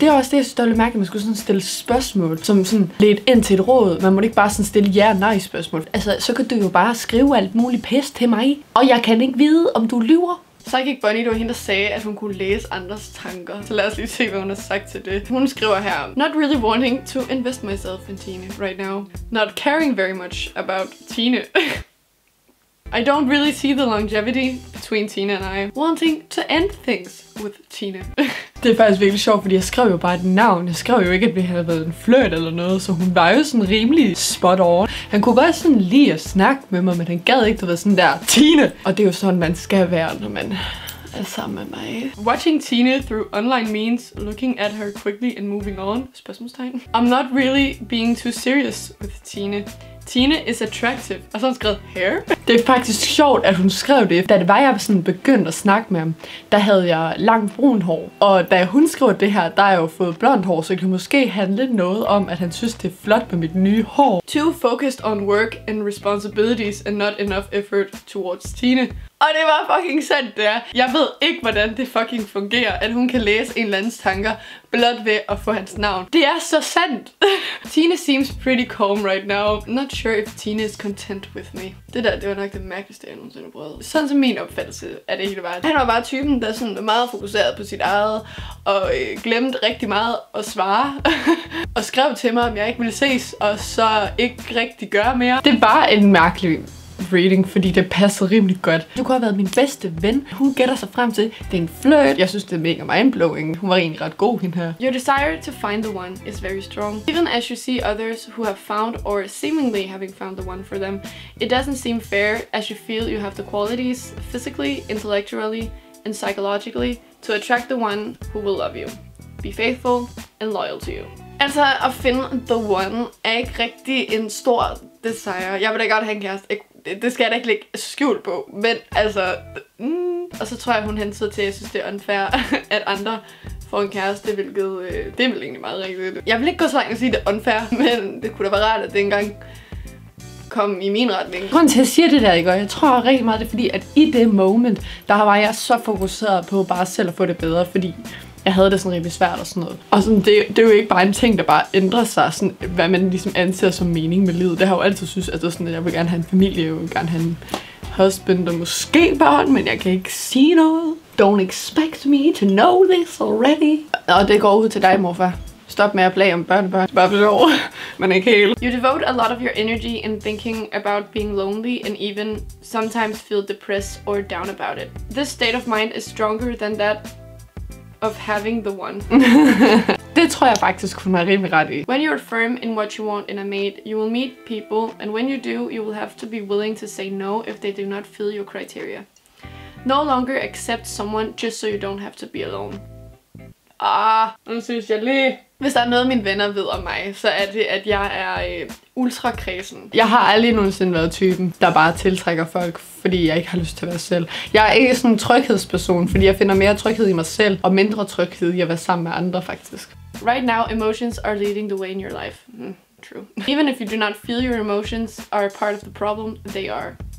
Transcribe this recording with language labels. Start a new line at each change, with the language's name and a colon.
Danish: Det er også det, jeg synes, der er lidt mærkeligt, at man skulle sådan stille spørgsmål, som sådan lidt ind til et råd. Man må ikke bare sådan stille ja-nej-spørgsmål. Altså, så kan du jo bare skrive alt muligt pis til mig, og jeg kan ikke vide, om du lyver. Psychic Bunny, det var hende, der sagde, at hun kunne læse andres tanker. Så lad os lige se, hvad hun har sagt til det. Hun skriver her:
English: Not really wanting to invest myself in Tine right now. Not caring very much about Tine. I don't really see the longevity between Tine and I. Wanting to end things with Tine.
Danish: Det er faktisk virkelig sjovt, fordi jeg skrev jo bare et navn. Jeg skrev jo ikke, at vi havde været en flirt eller noget, så hun var jo sådan rimelig spot on. Han kunne godt sådan lide at snakke med mig, men han gad ikke, at være sådan der, Tine! Og det er jo sådan, man skal være, når man er sammen med mig.
English: Watching Tine through online means looking at her quickly and moving on?
Danish: Spørgsmålstegn.
English: I'm not really being too serious with Tine. Tine is attractive.
Danish: Og så har hun skrevet hair. Det er faktisk sjovt, at hun skrev det. Da det var, jeg sådan begyndte at snakke med ham, der havde jeg langt brun hår. Og da hun skrev det her, der har jeg jo fået blond hår, så det kan måske handle noget om, at han synes, det er flot med mit nye hår. Too focused on work and responsibilities and not enough effort towards Tine. Og det var fucking sandt, det er. Jeg ved ikke, hvordan det fucking fungerer, at hun kan læse en eller andens tanker blot ved at få hans navn. Det er så sandt.
English: Tina seems pretty calm right now. Not sure if Tina is content with me.
Danish: Det der, det var nok det mærkeligste, jeg nogensinde brød. Sådan som min opfattelse er det hele vejen. Han var bare typen, der sådan var meget fokuseret på sit eget, og glemte rigtig meget at svare. Og skrev til mig, om jeg ikke ville ses, og så ikke rigtig gøre mere. Det var en mærkelig reading, fordi det passede rimelig godt. Du kunne have været min bedste ven. Hun gætter sig frem til, det er en flirt. Jeg synes, det er mega mindblowing. Hun var egentlig ret god, hende her.
English: Your desire to find the one is very strong. Even as you see others who have found or seemingly having found the one for them, it doesn't seem fair as you feel you have the qualities physically, intellectually and psychologically to attract the one who will love you, be faithful and loyal to you.
Danish: Altså, at finde the one er ikke rigtig en stor desire. Jeg vil da godt have en kæreste. Det skal jeg da ikke lægge skjult på, men altså... Og så tror jeg, hun hentede til, at jeg synes, det er unfair, at andre får en kæreste, hvilket... det er vel egentlig meget rigtigt. Jeg vil ikke gå så langt og sige, det er unfair, men det kunne da være rart, at det engang kom i min retning. Grunden til, at jeg siger det der, ikke? Og jeg tror rigtig meget, det er fordi, at i det moment, der var jeg så fokuseret på bare selv at få det bedre, fordi... Jeg havde det sådan rimelig svært og sådan noget. Og sådan, det er jo ikke bare en ting, der bare ændrer sig, sådan, hvad man ligesom anser som mening med livet. Det har jo altid synes, at det er sådan, at jeg vil gerne have en familie, jeg vil gerne have en husband og måske børn, men jeg kan ikke sige noget.
English: Don't expect me to know this already.
Danish: Og det går ud til dig, morfar. Stop med at plage om børnebørn. Bare for sjov. Man er ikke helt.
English: You devote a lot of your energy in thinking about being lonely and even sometimes feel depressed or down about it. This state of mind is stronger than that of having the one.
Danish: Det tror jeg faktisk hun har rimelig ret i.
English: When you're firm in what you want in a mate, you will meet people, and when you do, you will have to be willing to say no if they do not fill your criteria. No longer accept someone just so you don't have to be alone.
Danish: Ah, nu synes jeg lige. Hvis der er noget, mine venner ved om mig, så er det, at jeg er ultrakræsen. Jeg har aldrig nogensinde været typen, der bare tiltrækker folk, fordi jeg ikke har lyst til at være selv. Jeg er ikke sådan en tryghedsperson, fordi jeg finder mere tryghed i mig selv, og mindre tryghed i at være sammen med andre, faktisk.
English: Right now, emotions are leading the way in your life. True. Even if you do not feel your emotions are a part of the problem, they are.